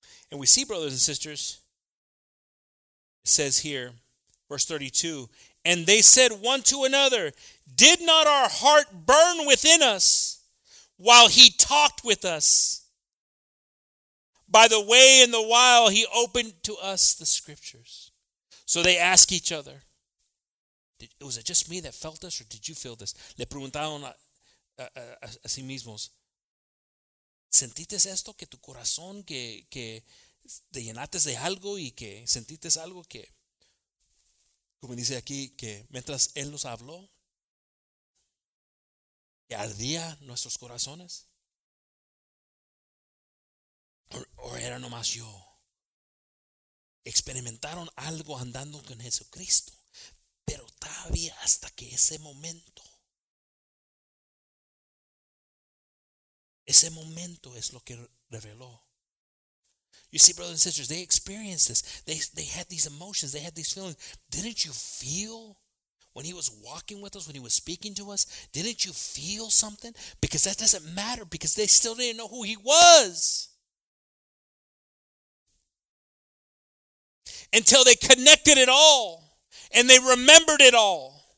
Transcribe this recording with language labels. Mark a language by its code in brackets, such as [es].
[en] And we see, brothers and sisters, it says here, verse 32, and they said one to another, did not our heart burn within us while he talked with us? By the way, in the while, he opened to us the scriptures. So they ask each other, Was it just me that felt this, or did you feel this? [es] Le preguntaron a sí mismos. ¿Sentiste esto que tu corazón, que te llenaste de algo y que sentiste algo que, como dice aquí, que mientras Él nos habló, que ardía nuestros corazones? ¿O era nomás yo? Experimentaron algo andando con Jesucristo, pero todavía hasta que ese momento es lo que reveló. [en] You see, brothers and sisters, they experienced this. They had these emotions. They had these feelings. Didn't you feel when He was walking with us, when He was speaking to us? Didn't you feel something? Because that doesn't matter, because they still didn't know who He was until they connected it all and they remembered it all.